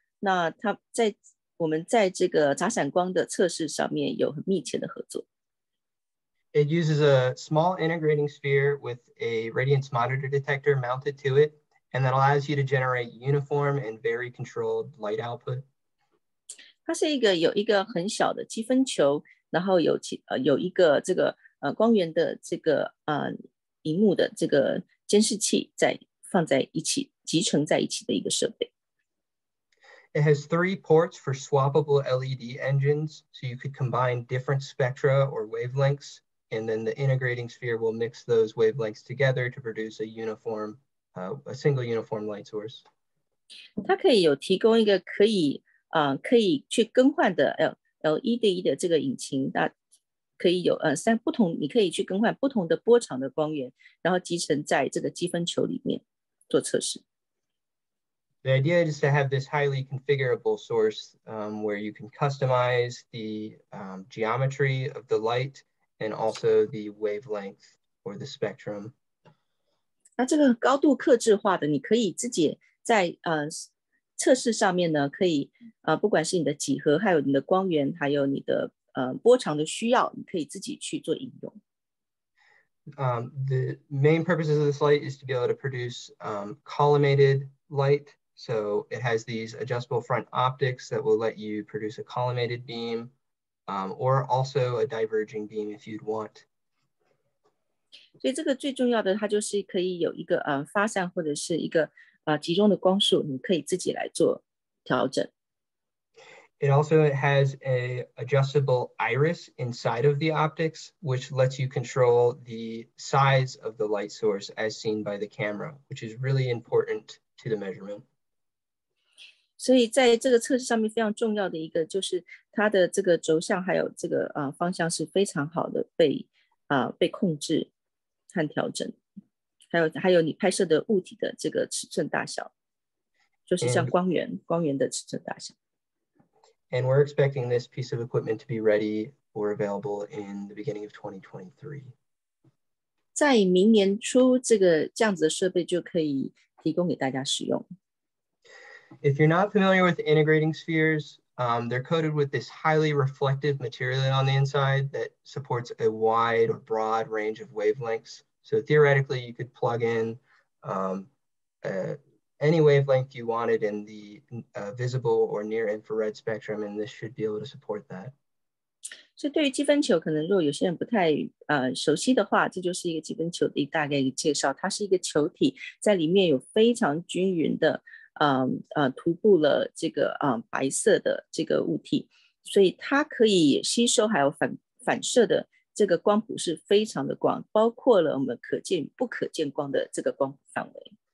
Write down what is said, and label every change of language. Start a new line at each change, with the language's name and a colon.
Chinese: 那它在我们在这个杂闪光的测试上面有很密切的合作。
English: It uses a small integrating sphere with a radiance monitor detector mounted to it, and that allows you to generate uniform and very controlled light output.
Chinese: 它是一个有一个很小的积分球，然后有一个这个光源的这个荧幕的这个监视器在放在一起集成在一起的一个设备。
English: It has three ports for swappable LED engines, so you could combine different spectra or wavelengths. And then the integrating sphere will mix those wavelengths together to produce a single uniform light source.
Chinese: 它可以有提供一个可以去更换的 LED 的这个引擎，那可以有三不同，你可以去更换不同的波长的光源，然后集成在这个积分球里面做测试。
English: The idea is to have this highly configurable source where you can customize the geometry of the light. And also the wavelength or the spectrum.
Chinese: 那这个高度客制化的，你可以自己在测试上面呢，可以不管是你的几何，还有你的光源，还有你的波长的需要，你可以自己去做应用。
English: The main purposes of this light is to be able to produce collimated light. So it has these adjustable front optics that will let you produce a collimated beam. Or also a diverging beam if you'd want.
Chinese: 所以这个最重要的，它就是可以有一个发散或者是一个集中的光束，你可以自己来做调整。
English: It also has an adjustable iris inside of the optics, which lets you control the size of the light source as seen by the camera, which is really important to the measurement.
Chinese: 所以在这个测试上面非常重要的一个就是它的这个轴向还有这个、方向是非常好的 被控制和调整，还有你拍摄的物体的这个尺寸大小，就是像光源的尺寸大小。
English: And we're expecting this piece of equipment to be ready or available in the beginning of 2023.
Chinese: 在明年初，这个这样子的设备就可以提供给大家使用。
English: If you're not familiar with integrating spheres, they're coated with this highly reflective material on the inside that supports a wide or broad range of wavelengths. So theoretically, you could plug in any wavelength you wanted in the visible or near infrared spectrum, and this should be able to support that.
Chinese: 所以对于积分球，可能如果有些人不太熟悉的话，这就是一个积分球的一个大概的介绍。它是一个球体，在里面有非常均匀的涂布了这个白色的这个物体，所以它可以吸收还有反射的这个光谱是非常的广，包括了我们可见不可见光的这个光谱范围。